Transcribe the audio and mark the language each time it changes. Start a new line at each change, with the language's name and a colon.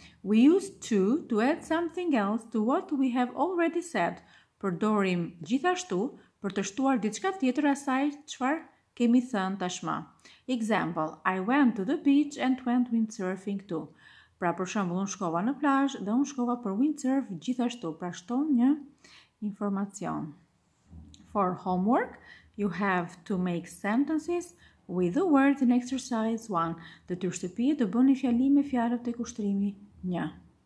English: We use to add something else to what we have already said.
Albanian: Përdorim gjithashtu për të shtuar diçka tjetër asaj çfarë kemi thënë tashmë.
English: Example, I went to the beach and went windsurfing too.
Albanian: Pra për shembull unë shkova në plazh dhe unë shkova për windsurf gjithashtu, pra shton një informacion.
English: For homework, you have to make sentences with the words in exercise 1,
Albanian: dhe të shtypi të bëni fjalim me fjalët tek ushtrimi 1.